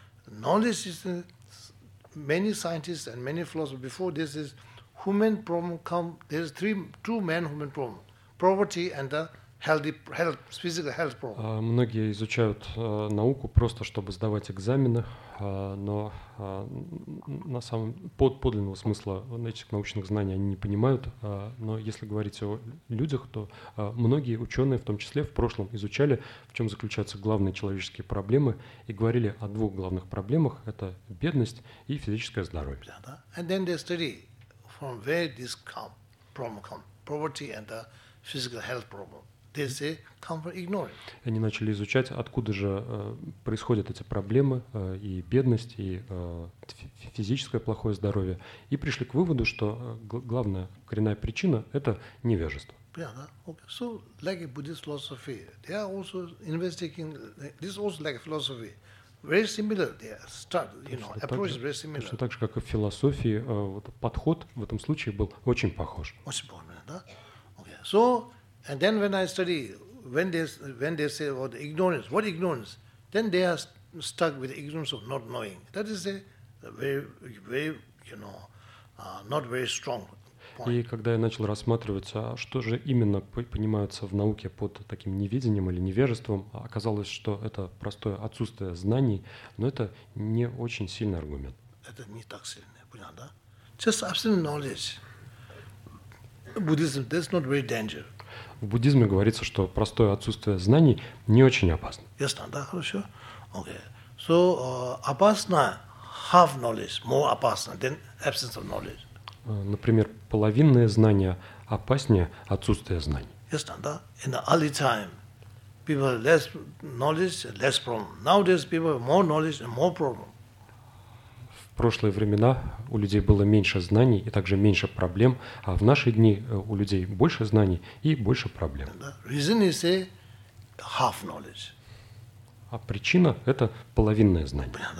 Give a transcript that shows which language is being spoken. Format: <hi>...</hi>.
<en>Knowledge is many scientists and many philosophers before this is human problem come. There's two main human problem: poverty and the health, physical health problem.</en> <ru>Многие изучают науку просто чтобы сдавать экзамены. Но на самом подлинного смысла этих научных знаний они не понимают. Но если говорить о людях, то многие ученые, в том числе в прошлом, изучали, в чем заключаются главные человеческие проблемы, и говорили о двух главных проблемах: это бедность и физическое здоровье.</ru> <en>And then they study from where this problem come, poverty and the physical health problem. They say come from ignorance.</en> <ru>Они начали изучать, откуда же происходят эти проблемы, и бедность, и физическое плохое здоровье, и пришли к выводу, что главная коренная причина – это невежество. Понятно.</ru> <en>Okay. So, like a Buddhist philosophy, they are also investigating, this is also like a philosophy. Very similar, they start, you know, approach is very similar.</en> <ru>Точно так же, как и в философии, вот подход в этом случае был очень похож. Очень похож, да?</ru> <en>Okay. So, and then when I study, when they say about ignorance, what ignorance? Then they are stuck with ignorance of not knowing. That is a very, very, you know, not very strong point.</en> <ru>И когда я начал рассматривать, что же именно понимается в науке под таким невидением или невежеством, оказалось, что это простое отсутствие знаний, но это не очень сильный аргумент. Это не так сильно, понятно, да?</ru> <en>Just absolute knowledge. Buddhism, that's not very dangerous.</en> <ru>В буддизме говорится, что простое отсутствие знаний не очень опасно. Ясно, да, хорошо.</ru> <en>Okay. So,</en> <ru>опасно</ru> <en>half knowledge, more опасно than absence of knowledge.</en> <ru>Например, половинное знание опаснее отсутствия знаний. Ясно, да.</ru> <en>In the early time, people have less knowledge, less problem. Nowadays people have more knowledge and more problem.</en> <ru>В прошлые времена у людей было меньше знаний и также меньше проблем, а в наши дни у людей больше знаний и больше проблем.</ru> <en>Reason is a half knowledge.</en> <ru>А причина – это половинное знание.</ru>